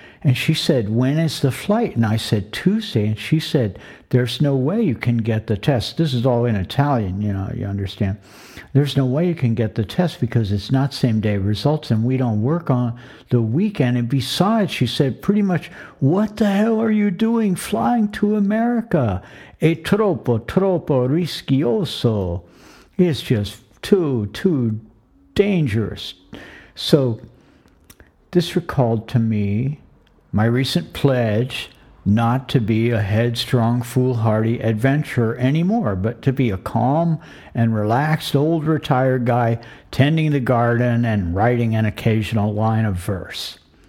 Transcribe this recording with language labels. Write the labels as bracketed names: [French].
[English] And she said, when is the flight? And I said, Tuesday. And she said, there's no way you can get the test. This is all in Italian, you know, you understand. There's no way you can get the test because it's not same day results and we don't work on the weekend. And besides, she said, pretty much, what the hell are you doing flying to America? [Italian] È troppo, troppo rischioso. [English] It's just too dangerous. So this recalled to me my recent pledge not to be a headstrong, foolhardy adventurer anymore, but to be a calm and relaxed old retired guy tending the garden and writing an occasional line of verse.